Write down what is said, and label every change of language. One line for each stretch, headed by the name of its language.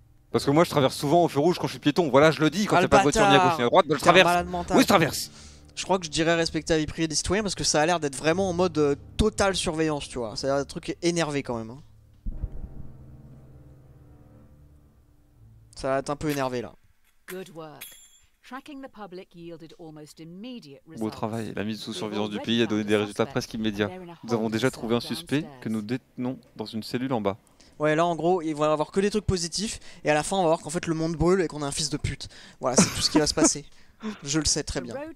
French: Parce que moi je traverse souvent au feu rouge quand je suis piéton, voilà je le dis, quand t'as pas de voiture ni à gauche ni à droite, je traverse. Oui je traverse. Je crois que je dirais respecter la vie privée des citoyens parce que ça a l'air d'être vraiment en mode totale surveillance, tu vois. Ça a l'air d'un truc énervé quand même. Hein. Ça a l'air un peu énervé là.
English: Good work. Tracking the public yielded almost immediate results.
French: Beau travail, la mise sous surveillance du pays a donné des résultats presque immédiats. Nous avons déjà trouvé un suspect que nous détenons dans une cellule en bas. Ouais, là en gros, ils vont avoir que des trucs positifs, et à la fin, on va voir qu'en fait le monde brûle et qu'on a un fils de pute. Voilà, c'est tout ce qui va se passer. Je le sais très bien.